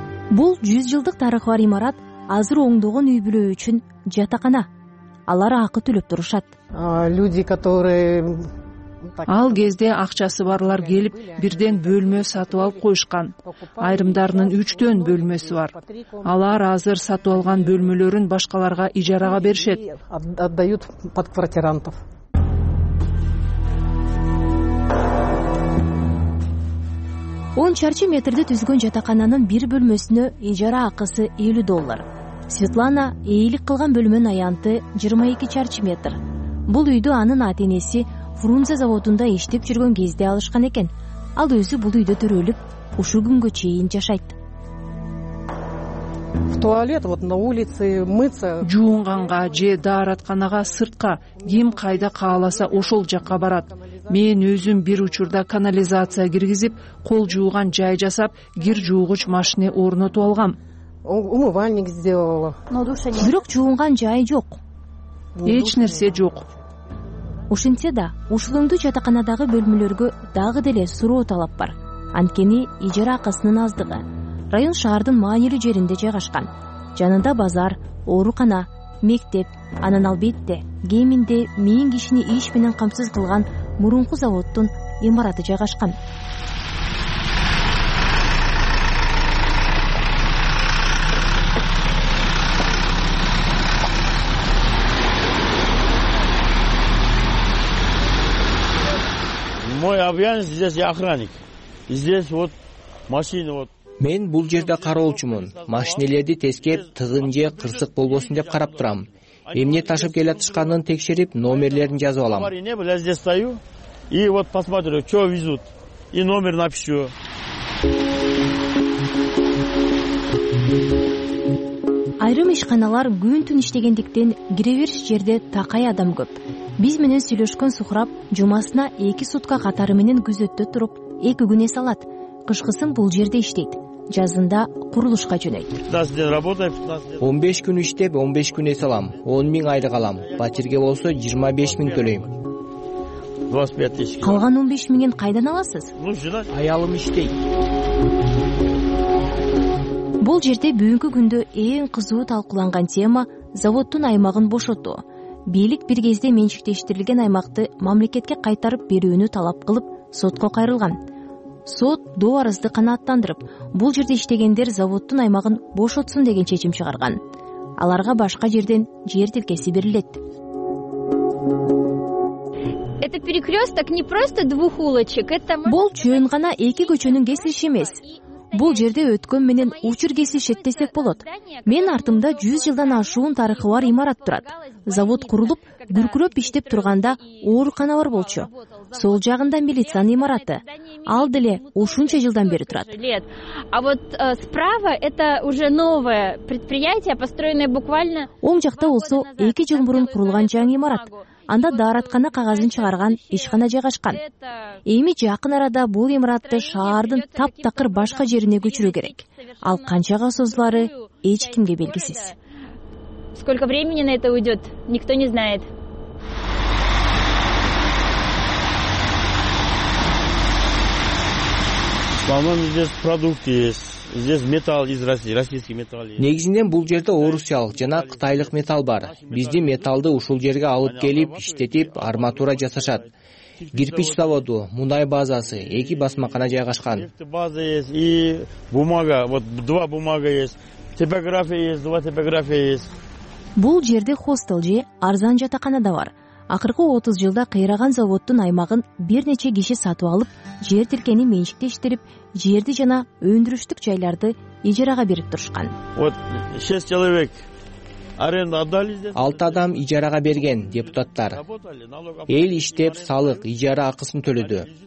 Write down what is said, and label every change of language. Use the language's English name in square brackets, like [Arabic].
[Kyrgyz] Бул 100 жылдык тарыхы бар имарат азыр оңдогон үй бүлө үчүн жатакана. Алар акы төлөп турушат. [Russian] Люди, которые [Kyrgyz] ал кезде акчасы барлар келип, бирден бөлмө сатып алып коюшкан. Айрымдарынын 3-төн бөлмөсү бар. Алар азыр сатып алган бөлмөлөрүн башкаларга ижарага беришет. Отдают под квартирантов. Он чарчы метрди түзгөн жатакананын бир бөлмөсүнө ижара акысы $50. Светлана ээлик кылган бөлмөнүн аянты 22 чарчы метр. Бул үйдү анын ата-энеси Фрунзе заводунда иштеп жүргөн кезде алышкан экен. Ал өзү бул үйдө төрөлүп, ушул күнгө чейин жашайт. [Russian] В туалет, вот на улице мыться. [Kyrgyz] Жуунганга же дааратканага сыртка ким кайда кааласа ошол жакка барат. Мен өзүм бир учурда канализация киргизип, кол жууган жай жасап, кир жуугуч машине орнотуп алгам. [Russian] Умывальник сделала. Но душа нет. [Kyrgyz] Бирок жуунган жай жок. Эч нерсе жок. Ошентсе да, ушулунду жатаканадагы бөлмөлөргө дагы деле суроо талап бар. Анткени ижара акысынын аздыгы. Район шаардын маанилүү жеринде жайгашкан. Жанында базар, оорукана, мектеп, анан албетте кеминде 1000 кишини иш менен камсыз кылган мурунку заводдун имараты жайгашкан. [Russian] Мой обязанность здесь я охранник. Здесь вот машина вот. [Kyrgyz] Мен бул жерде кароолчумун. Машинелерди тескеп, тыгын же кырсык болбосун деп карап турам. Эмне ташып келе жатканын текшерип, номерлерин жазып алам. Я здесь стою и вот посмотрю, что везут и номер напишу. Айрым ишканалар күн-түн иштегендиктен кирериш жерде такай адам көп. Биз менен сүйлөшкөн Сухрап жумасына 2 сутка катары менен күзөттө туруп, 2 күн эс алат. Кышкысын бул жерде иштейт. Жазында курулушка жөнөйт. 15 күн иштеп, 15 күн эс алам. 10,000 айлык алам. Батирге болсо 25,000 төлөйм. Калган 15,000 кайдан аласыз? Аялым иштейт. Бул жерде бүгүнкү күндө эң кызуу талкууланган тема заводдун аймагын бошотуу. Бийлик бир кезде менчиктештирилген аймакты мамлекетке кайтарып берүүнү талап кылып, сотко кайрылган. Сот доо арызды канааттандырып, бул жерде иштегендер заводдун аймагын бошотсун деген чечим чыгарган. Аларга башка жерден жер тилкеси берилет. [Russian] Это перекрёсток не просто двух улочек, это [Kyrgyz] бул чөйүн гана эки көчөнүн кесилиши эмес. Бул жерде өткөн менен учур кесишет десек болот. Мен артымда 100 жылдан ашуун тарыхы бар имарат турат. Завод курулуп, күркүрөп иштеп турганда оорукана бар болчу. Сол жагында милициянын имараты. Ал деле ушунча жылдан бери турат. [Russian] А вот справа это уже новое предприятие, построенное буквально. [Kyrgyz] Оң жакта болсо 2 жыл мурун курулган жаңы имарат. Анда дааратканы кагазын чыгарган ишкана жайгашкан. Эми жакын арада бул имаратты шаардын таптакыр башка жерине көчүрүү керек. Ал канчага созулары эч кимге белгисиз. [Russian] Сколько времени на это уйдет, никто не знает. По-моему, здесь продукты есть. Здесь металл из России, российский металл есть. [Kyrgyz] Негизинен бул жерде орусчалык жана кытайлык металл бар. Бизди металлды ушул жерге алып келип, иштетип, арматура жасашат. кирпич заводу, мунай базасы, эки басмакана жайгашкан. [Russian] База есть и бумага, вот два бумага есть. Типография есть, два типография есть. [Kyrgyz] Бул жерде хостел же арзан жатакана да бар. Акыркы 30 жылда кыйраган заводдун аймагын бир нече киши сатып алып, жер тилкени менчиктештирип, жерди жана өндүрүштүк жайларды ижарага берип турушкан. [Russian] Вот 6 человек. Аренда отдали здесь. [Kyrgyz] 6 адам ижарага берген депутаттар. Эл иштеп салык, ижара акысын төлөдү.